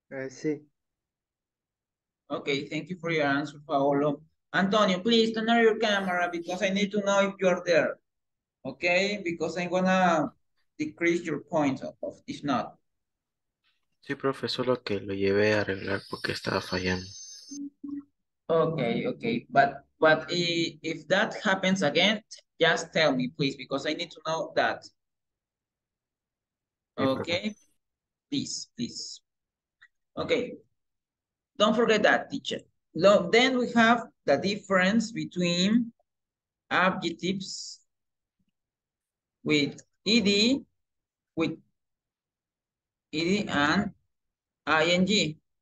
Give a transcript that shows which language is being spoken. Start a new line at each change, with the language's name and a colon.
Spanish: Sí.
English: Okay, thank you for your answer, Paolo. Antonio, please turn on your camera because I need to know if you are there. Okay, because I'm gonna decrease your point of if not.
Spanish: Sí, profesor, lo que lo llevé a arreglar porque estaba fallando.
English: Okay, but if that happens again, just tell me, please, because I need to know that. Okay, please. Okay, don't forget that, teacher. Then we have the difference between adjectives with ed, and ing.